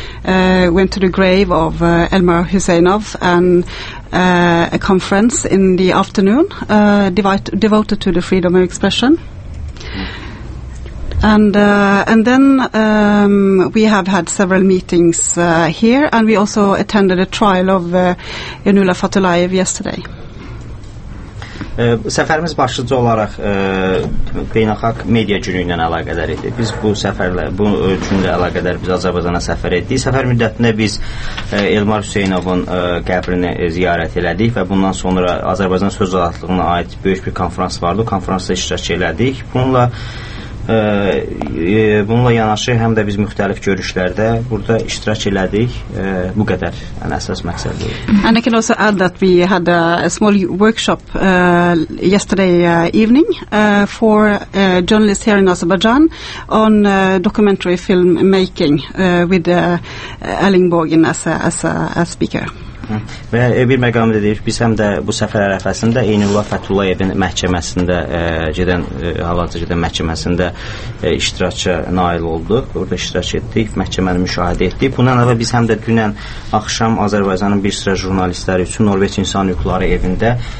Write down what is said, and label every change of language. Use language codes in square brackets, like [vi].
[en] Went to the grave of Elmer Hüseynov and a conference in the afternoon devoted to the freedom of expression. And then we have had several meetings here, and we also attended a trial of Yanula Fatulayev yesterday. [az] Səfərimiz başlıca olaraq beynəlxalq media günü ilə əlaqədar idi. Biz bu səfərlə, bu günlə əlaqədar biz Azərbaycana səfər etdik. Səfər müddətində biz Elmar Hüseynovun qəbrini ziyarət elədik və bundan sonra Azərbaycan Söz Azadlığına aid böyük bir konferans vardı. Konferansda iştirak elədik. Bununla yanaşı həm də biz müxtəlif görüşlərdə burada iştirak elədik. Bu qədər ən əsas məqsəd. [en] And I can also add that we had a small workshop yesterday evening for journalists here in Azerbaijan on documentary film making with Erling Borgen as a speaker. [az] Və bir məqamı da deyir, biz həm də bu səfər ərəfəsində Eynullah Fətullayevin məhkəməsində gedən məhkəməsində iştirakça nail olduq. Orada iştirak etdik, məhkəməni müşahidə etdik. Bundan əlavə biz həm də dünən axşam Azərbaycanın bir sıra jurnalistləri üçün Norveç İnsan Hüquqları Evində